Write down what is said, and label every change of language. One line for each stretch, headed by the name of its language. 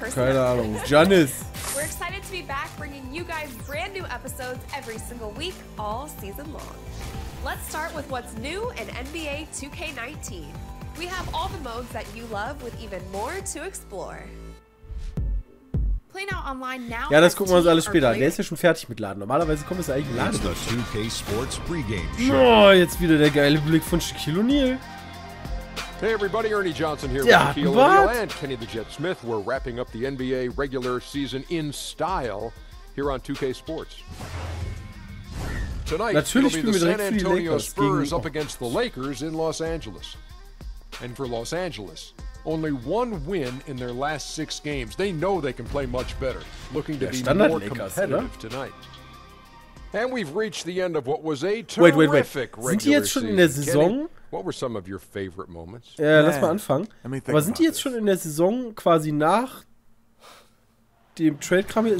German: keine Ahnung. Giannis.
English: We're excited to be back, bringing you guys brand new episodes every single week, all season long. Let's start with what's new in NBA 2K19. We have all the modes that you love, with even more to explore.
German: Ja, das gucken wir uns alles später an. Der ist ja schon fertig mit Laden. Normalerweise kommt es ja eigentlich im Laden. 2K Sports Pre-Game Show. Oh, jetzt wieder der geile Blick von Shaquille O'Neal.
English: Hey everybody, Ernie Johnson here with Shaquille O'Neal and Kenny the Jet Smith. We're wrapping up the NBA regular season in style here on 2K Sports. Tonight,
German: natürlich spielen wir direkt für die Lakers gegen
English: up against the Lakers in Los Angeles. And for Los Angeles, only one win in their last six games. They know they can play much better. Looking to be more competitive tonight. And we've reached the end of what was a terrific regular season.
German: Sind die jetzt schon in der Saison?
English: Kenny, what were some of your favorite moments?
German: Ja, lass mal anfangen. Aber sind die jetzt schon in der Saison quasi nach dem Trade-Kram?